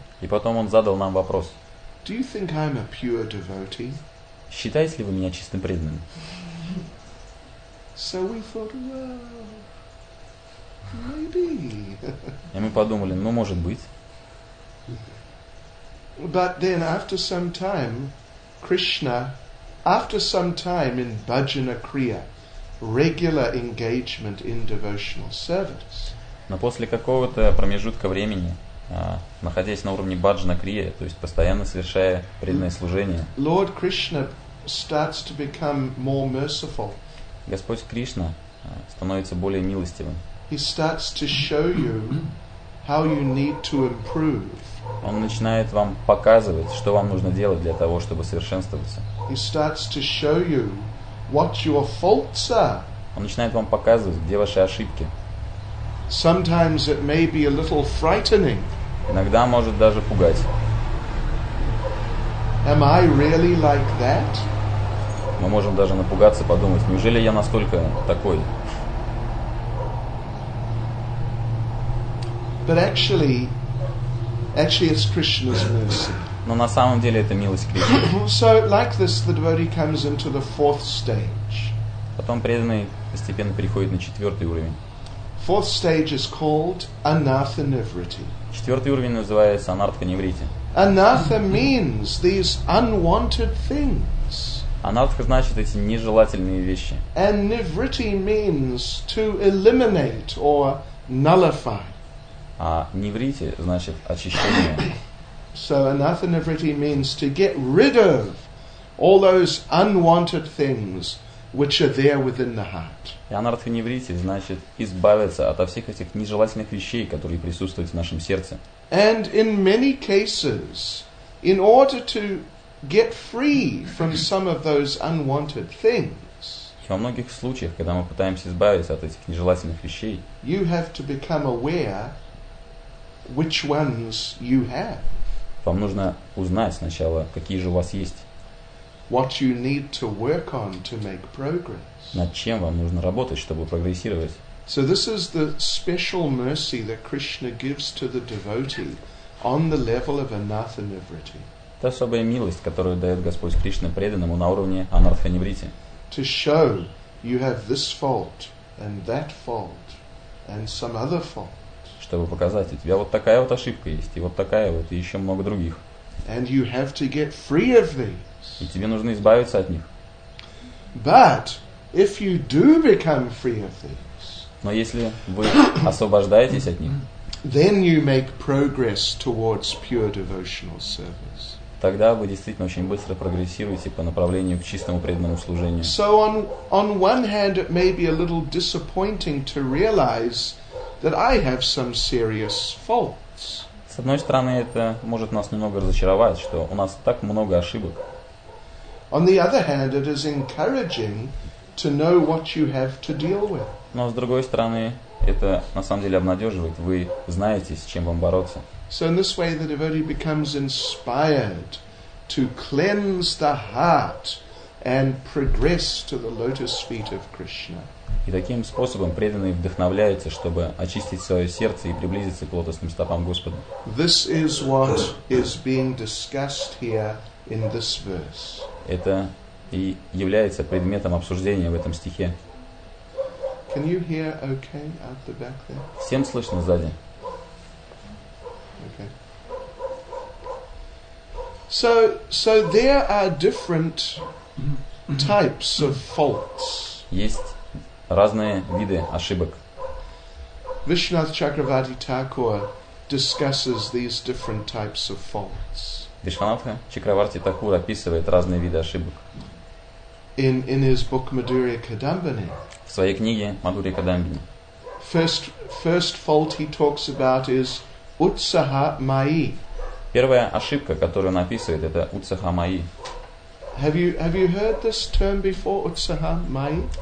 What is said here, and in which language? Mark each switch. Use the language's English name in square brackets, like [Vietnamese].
[Russian] И потом он задал нам вопрос. [English] Do you think I'm a pure devotee? [Russian] Считаете ли вы меня чистым преданным? [English] So we thought, well, maybe. [Russian] И мы подумали, ну может быть. [English] But then after some time, Krishna, after some time in bhajana kriya, regular engagement in devotional service. [Russian] Но после какого-то промежутка времени, находясь на уровне бхаджана крия, то есть постоянно совершая преданное служение, [English] Lord Krishna starts to become more merciful. [Russian] Господь Кришна становится более милостивым. [English] He starts to show you how you need to improve. [Russian] Он начинает вам показывать, что вам нужно делать для того, чтобы совершенствоваться. [English] He starts to show you what your faults are. [Russian] Он начинает вам показывать, где ваши ошибки. [English] Sometimes it may be a little frightening. [Russian] Иногда может даже пугать. [English] Am I really like that? [Russian] Мы можем даже напугаться, подумать, неужели я настолько такой? [English] But actually it's Krishna's mercy. [Russian] Но на самом деле это милость Кришны. [English] So like this, the devotee comes into the fourth stage. [Russian] Потом преданный постепенно переходит на четвертый уровень. [English] Fourth stage is called anartha nivritti. [Russian] Четвертый уровень называется анартха нивритти. [English] Anartha means these unwanted things. [Russian] Anartha значит эти нежелательные вещи. [English] And nivritti means to eliminate or nullify. [Russian] А nivritti значит очищение. [English] So anartha nivritti means to get rid of all those unwanted things which are there within the heart. [Russian] И anartha nivritti значит избавиться от всех этих нежелательных вещей, которые присутствуют в нашем сердце. [English] And in many cases, in order to get free from some of those unwanted things, [Russian] во многих случаях, когда мы пытаемся избавиться от этих нежелательных вещей, [English] you have to become aware which ones you have. [Russian] Вам нужно узнать сначала, какие же у вас есть. [English] What you need to work on to make progress. [Russian] Над чем вам нужно работать, чтобы прогрессировать. [English] So this is the special mercy that Krishna gives to the devotee on the level of anartha nivritti. [Russian] Это особая милость, которую дает Господь Кришна преданному на уровне анартха нивритти. [English] To show you have this fault and that fault and some other fault. [Russian] Чтобы показать, у тебя вот такая вот ошибка есть, и вот такая вот, и еще много других. [English] And you have to get free of these. [Russian] И тебе нужно избавиться от них. [English] But if you do become free of things, [Russian] но если вы освобождаетесь от них, [English] then you make progress towards pure devotional service. [Russian] Тогда вы действительно очень быстро прогрессируете по направлению к чистому преданному служению. [English] So on one hand, it may be a little disappointing to realize that I have some serious faults. [Russian] С одной стороны, это может нас немного разочаровать, что у нас так много ошибок. [English] On the other hand, it is encouraging to know what you have to deal with. [Russian] Но с другой стороны, это на самом деле обнадеживает. Вы знаете, с чем вам бороться. [English] So in this way, the devotee becomes inspired to cleanse the heart and progress to the lotus feet of Krishna. [Russian] И таким способом преданный вдохновляется, чтобы очистить свое сердце и приблизиться к лотосным стопам Господа. [English] This is what is being discussed here in this verse. [Russian] Это и является предметом обсуждения в этом стихе. [English] Can you hear okay out the back there? [Russian] Всем слышно сзади? [English] Okay. So there are different types of faults. [Russian] Есть разные виды ошибок. [English] Vishwanath Chakravarti Thakur discusses these different types of faults. [Russian] Вишванатха Чакраварти Такур описывает разные виды ошибок. [English] In his book Madhurya Kadambini. [Russian] В своей книге Мадхурья Кадамбини. [English] First fault he talks about is utsaha mayi. [Russian] Первая ошибка, которую он описывает, это utsaha mayi. [English] Have you heard this term before, utsaha mayi?